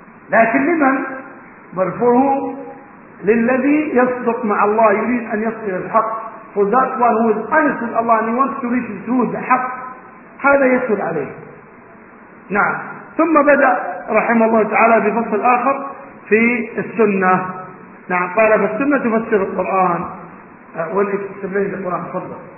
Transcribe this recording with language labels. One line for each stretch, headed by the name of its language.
Arabic: لكن لمن؟
English: But for whom?
Arabic: للذي يصدق مع الله, يريد أن يصدق الحق.
English: For that one who is honest with Allah and he wants to reach the truth, the حق,
Arabic: هذا يسهل عليه. نعم. ثم بدأ رحمه الله تعالى بفصل آخر في السنة. نعم. قال فالسنة تفسر القرآن. والإكسبلين القرآن. تفضل.